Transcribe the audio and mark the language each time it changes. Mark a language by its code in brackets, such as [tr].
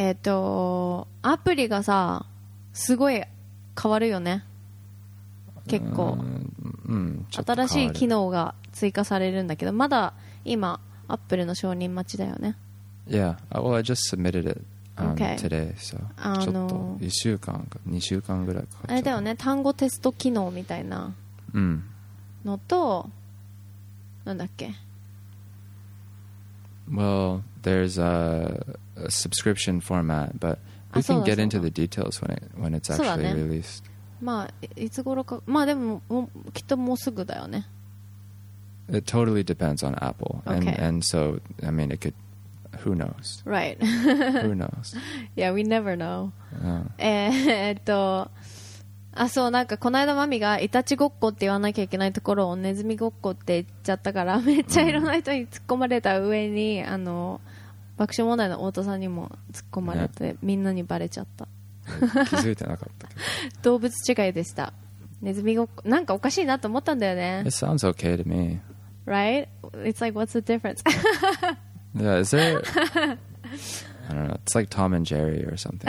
[ja] アプリがさ、すごい変わるよね結構、新しい機能が追加されるんだけどまだ今アップルの承認待ちだよね [en] Yeah, well I just submitted it today so [ja] ちょっと1週間か2週間ぐらいかかっちゃうあれだよね単語テスト機能みたいなのと、なんだっけ [en] Well, there's a subscription format butWe can get into the details when it's actually released. [ja] まあ、いつ頃か、まあでも、きっともうすぐだよね。 [en] It totally depends on Apple. Okay. And so, I mean, it could... Who knows? Right. Who knows? Yeah, we never know. Yeah. [ja] あ、そう、なんかこの間マミがイタチごっこって言わなきゃいけないところをネズミごっこって言っちゃったから、めっちゃいろんな人に突っ込まれた上に、あの、爆笑問題の太田さんにも突っ込まれて、ね、みんなにバレちゃった気づいてなかったけど動物違いでしたネズミごっこなんかおかしいなと思ったんだよね [en] It sounds okay to me Right? It's like what's the difference? yeah, is there I don't know It's like Tom and Jerry or something